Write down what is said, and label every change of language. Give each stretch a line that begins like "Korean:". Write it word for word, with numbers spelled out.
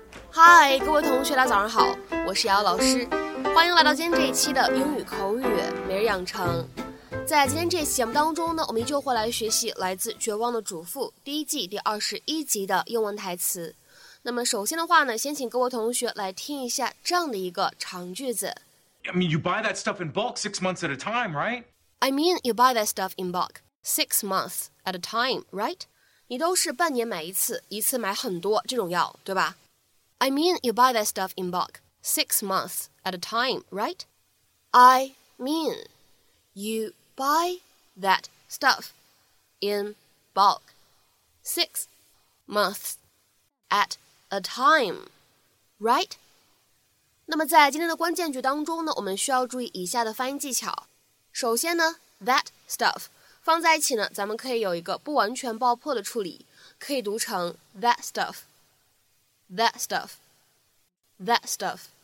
Chinese: 嗨，各位同学，大家早上好，我是姚老师，欢迎来到今天这一期的英语口语每日养成。在今天这期节目当中呢，我们依旧会来学习来自《绝望的主妇》第一季第二十一集的英文台词。那么首先的话呢，先请各位同学来听一下这样的一个长句子。
English: I mean, you buy that stuff in bulk six months at a time, right? I mean, you buy that stuff in bulk six months at a time, right?
Chinese: 你都是半年买一次，一次买很多这种药，对吧？
English: I mean, you buy that stuff in bulk six months at a time, right? I mean, you buy that stuff in bulk six months at a time, right?
Chinese: 那么在今天的关键句当中呢，我们需要注意以下的发音技巧。首先呢 ，that stuff 放在一起呢，咱们可以有一个不完全爆破的处理，可以读成 that stuff。
English: That stuff, that stuff.